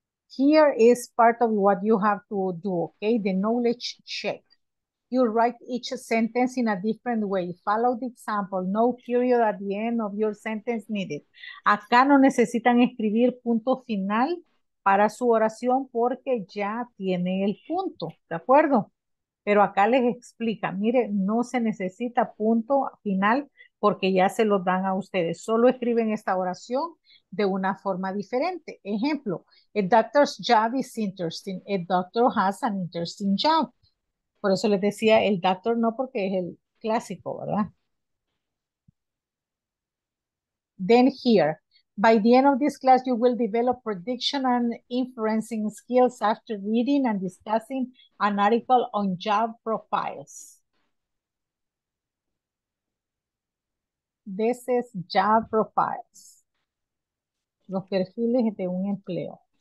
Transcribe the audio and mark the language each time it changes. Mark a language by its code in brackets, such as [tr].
[en] Here is part of what you have to do, okay? The knowledge check. You write each sentence in a different way. Follow the example. No period at the end of your sentence needed. [es] Acá no necesitan escribir punto final para su oración porque ya tiene el punto, ¿de acuerdo? Pero acá les explica, mire, no se necesita punto final porque ya se los dan a ustedes. Solo escriben esta oración de una forma diferente. Ejemplo, [en] a doctor's job is interesting. A doctor has an interesting job. [es] Por eso les decía el doctor no porque es el clásico, ¿verdad? [en] Then here, by the end of this class, you will develop prediction and inferencing skills after reading and discussing an article on job profiles. This is job profiles. [es] Los perfiles de un empleo.